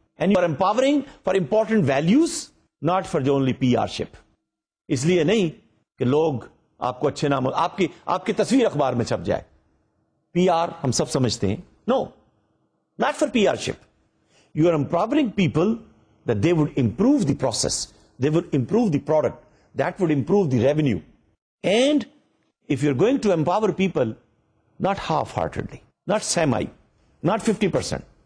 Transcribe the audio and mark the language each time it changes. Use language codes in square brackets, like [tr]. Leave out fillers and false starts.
[en] And you are empowering for important values, not for only PR-ship. [ur] اس لیے نہیں کہ لوگ آپ کو اچھے نام, آپ کی تصویر اخبار میں چھپ جائے. PR ہم سب سمجھتے ہیں. [en] No, not for PR-ship. You are empowering people that they would improve the process, they would improve the product, that would improve the revenue. And if you're going to empower people, not half-heartedly, not semi, not 50%.